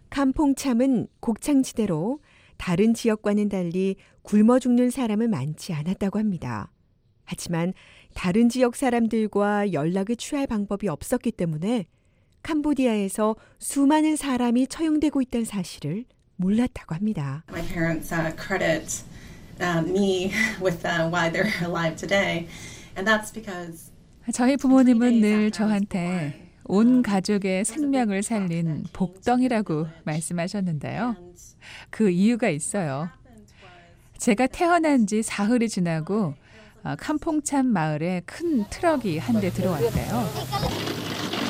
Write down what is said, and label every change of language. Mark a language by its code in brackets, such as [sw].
[ko] 캄퐁참은 곡창지대로 다른 지역과는 달리 굶어 죽는 사람은 많지 않았다고 합니다. 하지만 다른 지역 사람들과 연락을 취할 방법이 없었기 때문에 캄보디아에서 수많은 사람이 처형되고 있다는 사실을 몰랐다고 합니다. [en] My parents credit me with why they're alive today. And that's because [ko] 저희 부모님은 늘 저한테 온 가족의 생명을 살린 복덩이라고 말씀하셨는데요. 그 이유가 있어요. 제가 태어난 지 사흘이 지나고 캄퐁참 마을에 큰 트럭이 한 대 들어왔대요.